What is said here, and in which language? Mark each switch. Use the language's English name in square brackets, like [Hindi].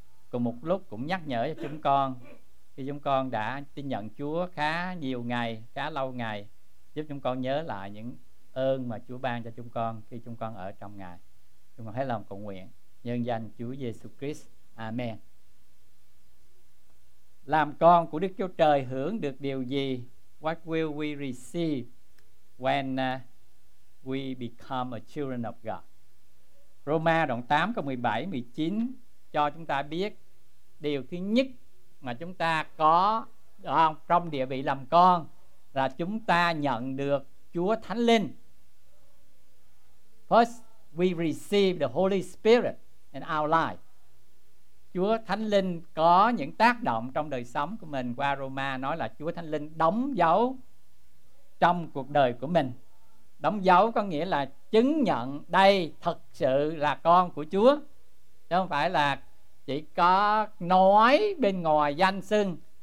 [Vietnamese] Cùng một lúc cũng nhắc nhở cho chúng con, khi chúng con đã tin nhận Chúa khá nhiều ngày, khá lâu ngày, giúp chúng con nhớ lại những ơn mà Chúa ban cho chúng con khi chúng con ở trong Ngài. Chúng con hết lòng cầu nguyện nhân danh Chúa Giêsu Christ. Amen. Làm con của Đức Chúa Trời hưởng được điều gì? [English] What will we receive when we become a children of God? [Vietnamese] Roma đoạn 8 câu 17, 19 cho chúng ta biết điều thứ nhất mà chúng ta có trong địa vị làm con là chúng ta nhận được Chúa Thánh Linh. [English] First, we receive the Holy Spirit in our life. [Vietnamese] Chúa Thánh Linh có những tác động trong đời sống của mình. Qua Roma nói là Chúa Thánh Linh đóng dấu trong cuộc đời của mình. Đóng dấu có nghĩa là chứng nhận đây thật sự là con của Chúa, chứ không phải là chỉ có nói bên ngoài danh xưng.